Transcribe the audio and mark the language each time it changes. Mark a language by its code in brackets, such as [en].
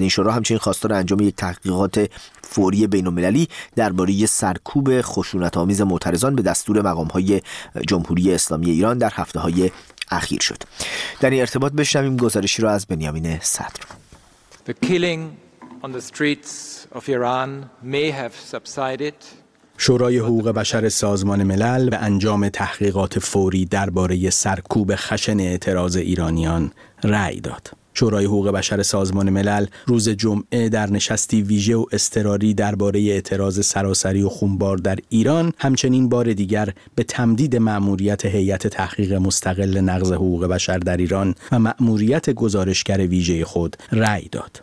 [fa] این شورا همچنین خواستار انجام یک تحقیقات فوری بین‌المللی درباره سرکوب خشونت‌آمیز معترضان به دستور مقام‌های جمهوری اسلامی ایران در هفته‌های اخیر شد. در این ارتباط بشنویم گزارشی را از بنیامین صدر. [en] The killing on the streets of Iran may have subsided. [fa] شورای حقوق بشر سازمان ملل به انجام تحقیقات فوری درباره سرکوب خشن اعتراض ایرانیان رأی داد. شورای حقوق بشر سازمان ملل روز جمعه در نشستی ویژه و اضطراری درباره اعتراض سراسری و خونبار در ایران همچنین بار دیگر به تمدید مأموریت هیئت تحقیق مستقل نقض حقوق بشر در ایران و مأموریت گزارشگر ویژه خود رأی داد.